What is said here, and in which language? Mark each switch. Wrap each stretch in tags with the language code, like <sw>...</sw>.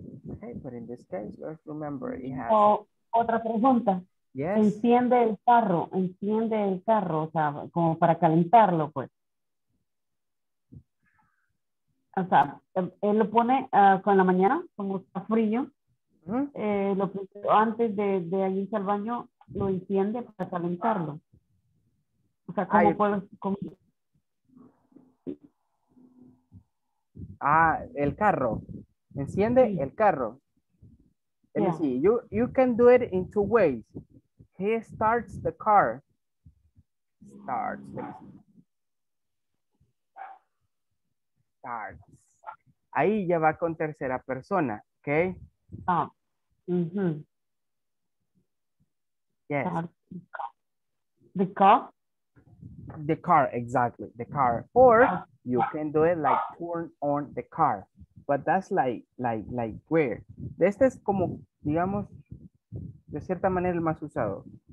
<en>Okay, but in this case, let's remember it has.</en> <es>Otra pregunta.</es> <en>Yes.</en> <es>Enciende el carro, o sea, como para calentarlo, pues. O sea, él lo pone con la mañana, como está frío. Uh-huh. Lo antes de irse al baño, lo enciende para calentarlo. O sea, ¿cómo puedo? Ah, el carro. Enciende sí. El carro.</es> <en>Let me see. You can do it in two ways. He starts the car.</en> <es>Starts. Ahí ya va con tercera persona. Ok. Ah. Mm-hmm.</es> <en>Yes. The car. The car, exactly. The car. Or you can do it like turn on the car. But that's like where.</en> <es>Este es como, digamos, de cierta manera el más usado.</es>